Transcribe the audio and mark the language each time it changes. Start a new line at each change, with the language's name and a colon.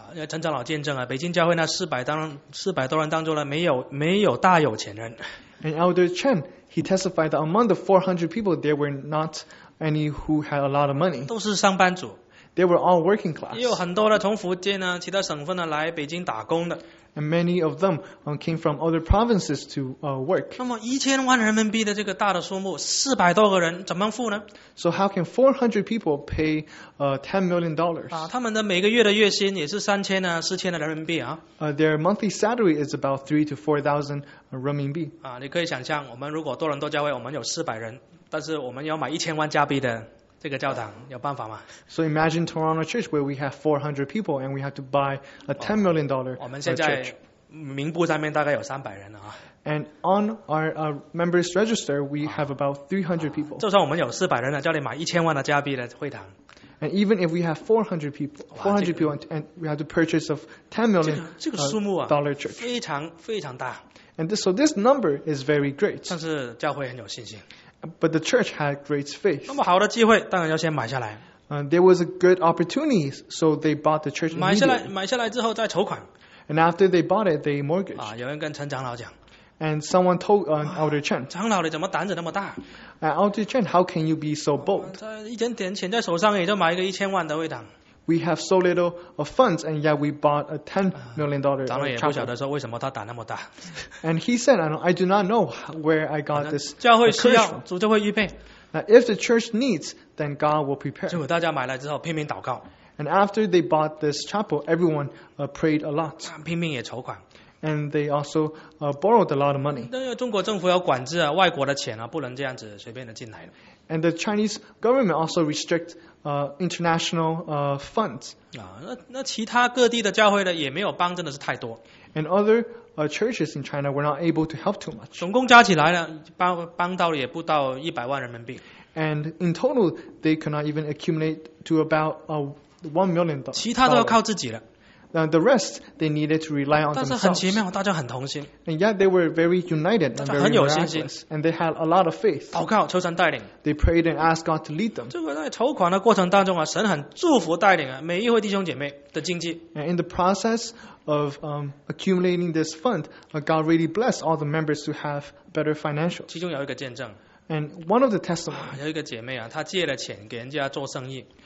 Chinese: 陈长老见证北京教会那400多人当中没有大有钱人。
English: And Elder Chen, he testified that among the 400 people, there were not any who had a lot of money.
Chinese: 都是上班族。
English: They were all working class.
Chinese: 也有很多的从福建其他省份来北京打工的。
English: And many of them came from other provinces to work.
Chinese: 那么1000万人民币的这个大的数目，400多个人怎么付呢？
English: So how can 400 people pay $10 million?
Chinese: 他们的每个月的月薪也是3000-4000人民币啊。
English: Their monthly salary is about 3,000-4,000 renminbi.
Chinese: 你可以想象，我们如果多伦多教会我们有400人，但是我们要买1000万加币的。这个教堂有办法吗？
English: So imagine Toronto Church where we have 400 people and we have to buy a $10 million church.
Chinese: 我们现在名簿上面大概有300人了。
English: And on our members register, we have about 300 people.
Chinese: 就算我们有400人了，叫你买1000万加币的会堂。
English: And even if we have 400 people and we have to purchase of $10 million dollar church.
Chinese: 非常非常大。
English: And this, so this number is very great.
Chinese: 但是教会很有信心。
English: But the church had great faith.
Chinese: 那么好的机会，当然要先买下来。
English: There was a good opportunity, so they bought the church.
Chinese: 买下来之后再筹款。
English: And after they bought it, they mortgaged.
Chinese: 有人跟陈长老讲。
English: And someone told Elder Chen.
Chinese: 长老你怎么胆子那么大
English: ？Elder Chen, how can you be so bold?
Chinese: 一点点钱在手上，也就买一个1000万的会堂。
English: We have so little of funds, and yet we bought a $10 million.
Chinese: 长老也不晓得说为什么他胆那么大。
English: And he said, I do not know where I got this.
Chinese: 教会需要，主就会预备。
English: Now, if the church needs, then God will prepare.
Chinese: 结果大家买来之后拼命祷告。
English: And after they bought this chapel, everyone prayed a lot.
Chinese: 拼命也筹款。
English: And they also borrowed a lot of money.
Chinese: 因为中国政府要管制啊，外国的钱啊，不能这样子随便的进来。
English: And the Chinese government also restrict international funds.
Chinese: 啊，那其他各地的教会呢，也没有帮，真的是太多。
English: And other churches in China were not able to help too much.
Chinese: 总共加起来呢，帮到了也不到100万人民币。
English: And in total, they could not even accumulate to about $1 million.
Chinese: 其他都要靠自己了。
English: The rest they needed to rely on themselves.
Chinese: 但是很奇妙，大家很同心。
English: And yet they were very united and very miraculous. And they had a lot of faith.
Chinese: 祷告，求神带领。
English: They prayed and asked God to lead them.
Chinese: 这个在筹款的过程当中啊，神很祝福带领啊，每一位弟兄姐妹的经济。
English: And in the process of accumulating this fund, God really blessed all the members to have better financials.
Chinese: 其中有一个见证。
English: And one of the testimonies.
Chinese: 有一个姐妹啊，她借了钱给人家做生意。